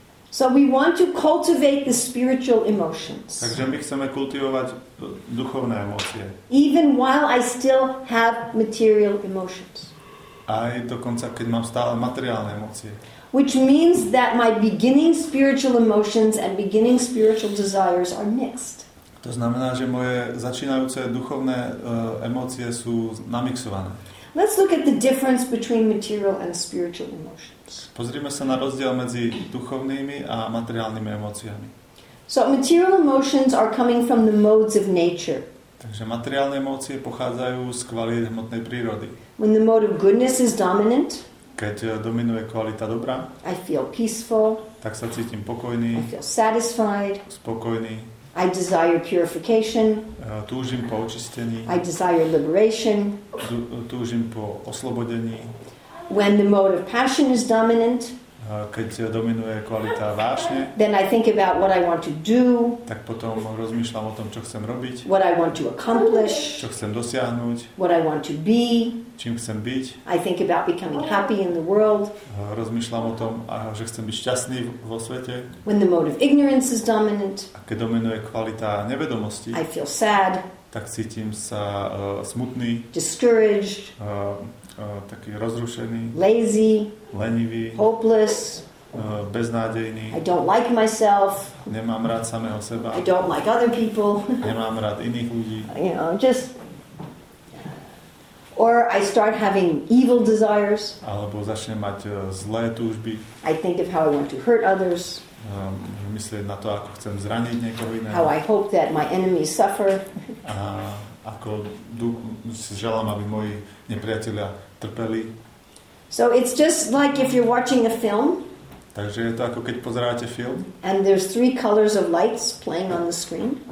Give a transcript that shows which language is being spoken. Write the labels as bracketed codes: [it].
[en] So we want to cultivate the spiritual emotions. [sk] Takže my chceme kultivovať duchovné emócie. [en] Even while I still have material emotions. [sk] Aj dokonca, keď mám stále materiálne emócie. [en] Which means that my beginning spiritual emotions and beginning spiritual desires are mixed. [sk] To znamená, že moje začínajúce duchovné emócie sú namixované. [en] Let's look at the difference between material and spiritual emotions. [sk] Pozrime sa na rozdiel medzi duchovnými a materiálnymi emóciami. [en] So material emotions are coming from the modes of nature. [sk] Takže materiálne emócie pochádzajú z kvalít hmotnej prírody. [en] When the mode of goodness is dominant, [sk] keď dominuje kvalita dobrá, [en] I feel peaceful, [sk] tak sa cítim pokojný, [en] I feel satisfied, [sk] spokojný, [en] I desire purification, [sk] túžim po očistení, [en] I desire liberation, [sk] túžim po oslobodení. [en] When the mode of passion is dominant, [sk] keď dominuje kvalita vášne, [en] then I think about what I want to do, [sk] tak potom rozmýšľam o tom, čo chcem robiť, [en] what I want to accomplish, [sk] čo chcem dosiahnuť, [en] what I want to be, [sk] čím chcem byť, [en] I think about becoming happy in the world, [sk] rozmýšľam o tom, že chcem byť šťastný vo svete, [en] when the mode of ignorance is dominant, [sk] a keď dominuje kvalita nevedomosti, [en] I feel sad, [sk] tak cítim sa smutný, [en] discouraged, [sk] taký rozrušený, [en] lazy, [sk] lenivý, [en] hopeless, [sk] beznádejný, [en] I don't like myself, [sk] nemám rád samého seba, [en] I don't like other people, [sk] nemám rád iných ľudí, [en] you know, just, or I start having evil desires, [sk] alebo začnem mať zlé túžby, [en] I think of how I want to hurt others, [sk] myslieť na to, ako chcem zraniť niekoho iného, [en] how I hope that my enemies suffer, [sk] ako si želám, aby moji nepriatelia trpeli. [en] So it's just like if you're watching a film. [sk] Takže je to ako keď pozeráte film. [en] And there's three colors of lights playing on the screen.